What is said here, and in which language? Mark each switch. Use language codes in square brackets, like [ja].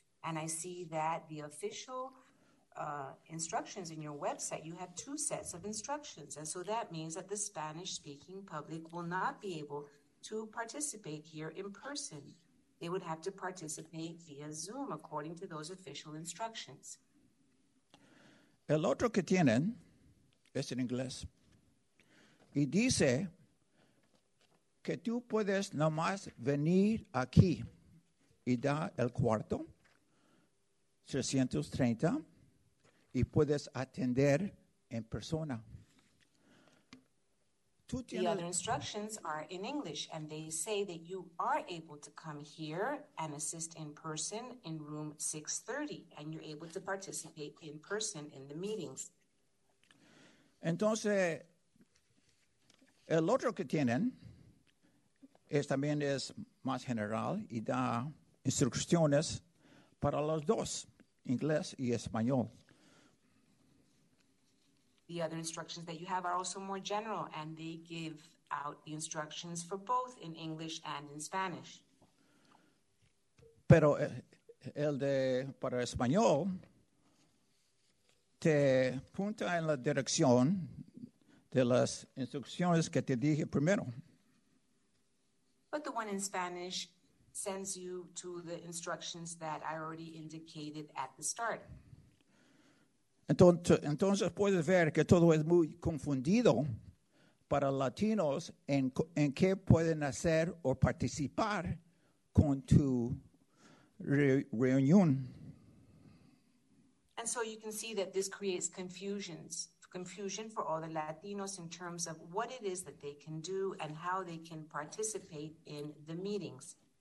[en] And I see that the official instructions in your website, you have two sets of instructions. And so that means that the Spanish-speaking public will not be able to participate here in person. They would have to participate via Zoom, according to those official instructions. [es] El otro que tienen es en inglés. Y dice que tú puedes nomás venir aquí y da el cuarto, 330, y puedes atender en persona. [en] The other instructions are in English, and they say that you are able to come here and assist in person in room 630, and you're able to participate in person in the meetings. [es] Entonces, el otro que tienen es también es más general y da instrucciones para los dos, inglés y español. [en] The other instructions that you have are also more general, and they give out the instructions for both in English and in Spanish. [es] Pero el de para español te apunta en la dirección de las instrucciones que te dije primero. [en] But the one in Spanish sends you to the instructions that I already indicated at the start. [es] Entonces puedes ver que todo es muy confundido para latinos en qué pueden hacer o participar con tu reunión. [en] And so you can see that this creates confusion for all the Latinos in terms of what it is that they can do and how they can participate in the meetings.